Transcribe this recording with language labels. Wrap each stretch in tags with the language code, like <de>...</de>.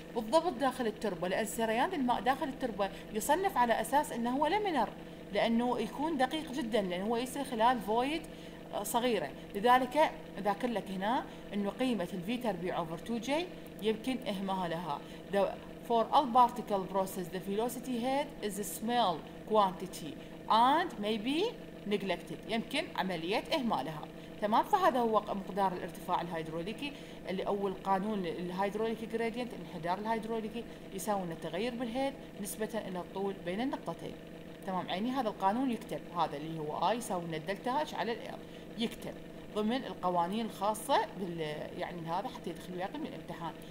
<ar>بالضبط داخل التربه، لان جريان الماء داخل التربه يصنف على اساس انه هو لمنر، لانه يكون دقيق جدا، لانه هو يصير خلال فويد صغيره. لذلك ذاكر لك هنا انه قيمه الفي تربيع اوفر 2 جي يمكن اهمالها.</ar> <en>For all particle process the velocity head is a small quantity and maybe neglected،</en> <ar>يمكن عمليه اهمالها. تمام، فهذا هو مقدار الارتفاع الهيدروليكي اللي اول قانون الهيدروليكي جريدينت، انحدار الهيدروليكي يساوي التغير بالهيد نسبه الى الطول بين النقطتين. تمام، عيني هذا القانون يكتب، هذا اللي هو اي يساوي ان الدلتا اتش على الار، يكتب ضمن القوانين الخاصه بال يعني هذا حتى يدخلوا وياك من الامتحان.</ar>